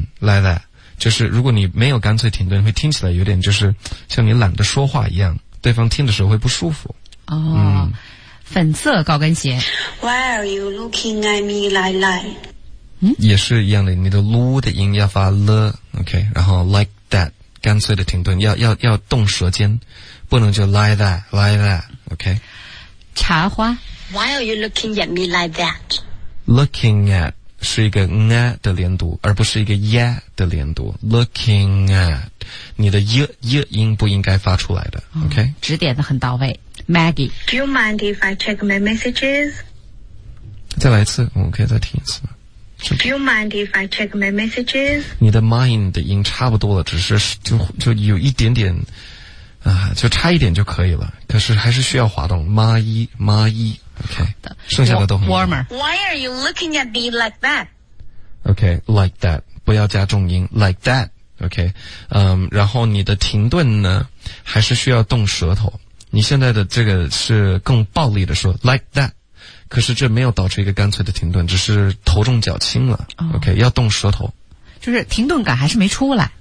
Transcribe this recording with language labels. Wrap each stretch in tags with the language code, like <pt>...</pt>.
<zh>Like that 就是如果你没有干脆停顿，会听起来有点就是像你懒得说话一样，对方听的时候会不舒服。哦，粉色高跟鞋</zh> <en>Why are you looking at me like that？</en> <zh>也是一样的，你的 lu 的音要发 l， OK， 然后 like that 干脆的停顿要动舌尖，不能就</zh> <en>like that like that，</en> <zh>OK。茶花</zh> <en>Why are you looking at me like that？</en> <zh>Looking at 是一个 ng 的连读，而不是一个 ye 的连读。 Looking at 你的 ye 音不应该发出来的。OK，指点的很到位。Maggie</zh> <en>Do you mind if I check my messages？</en> <zh>再来一次，我可以再听一次。</zh> <en>Do you mind if I check my messages？</en> <zh>你的 mind 的音差不多了，只是就有一点点啊，就差一点就可以了，可是还是需要滑动 ma yi OK， 剩下的都很</zh> <en>warmer。 Why are you looking at me like that？</en> <zh>OK， like that 不要加重音 like that。 OK， 然后你的停顿呢还是需要动舌头，你现在的这个是更暴力的说 like that，可是这没有导致一个干脆的停顿，只是头重脚轻了。 OK， 要动舌头，就是停顿感还是没出来。</zh>